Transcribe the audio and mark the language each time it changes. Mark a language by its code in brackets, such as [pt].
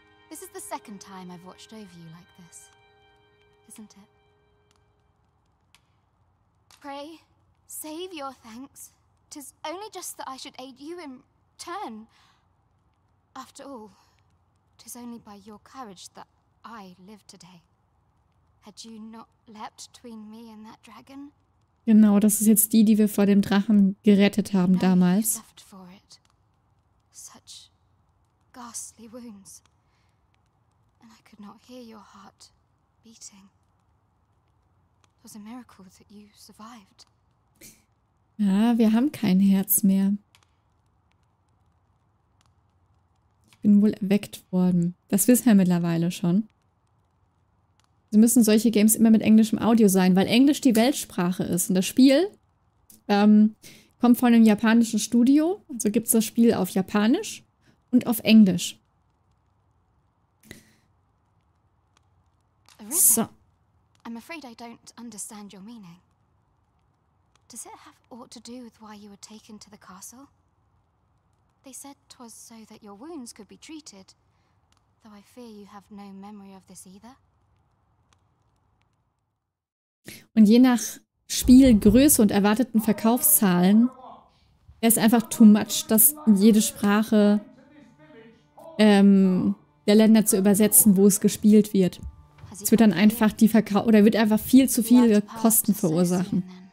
[en] This is the second time I've watched over you like this, isn't it? Pray, save your thanks. 'Tis only just that I should aid you in turn. After all, 'tis only by your courage that I live today. Had you not leapt between me and that dragon? [de] Genau, das ist jetzt die wir vor dem Drachen gerettet haben damals. [en] Such ghastly wounds, and I could not hear your heart beating. It was a miracle that you survived. [de] Ja, wir haben kein Herz mehr. Ich bin wohl erweckt worden. Das wissen wir mittlerweile schon. Sie müssen solche Games immer mit englischem Audio sein, weil Englisch die Weltsprache ist. Und das Spiel kommt von einem japanischen Studio. Also gibt es das Spiel auf Japanisch und auf Englisch. [en] So. I'm afraid I don't understand your meaning. Does it have aught to do with why you were taken to the castle? They said 'twas so that your wounds could be treated, though I fear you have no memory of this either. [de] Und je nach Spielgröße und erwarteten Verkaufszahlen wäre es einfach too much, das in jede Sprache der Länder zu übersetzen, wo es gespielt wird. Es wird dann einfach die oder wird einfach viel zu viele Kosten verursachen.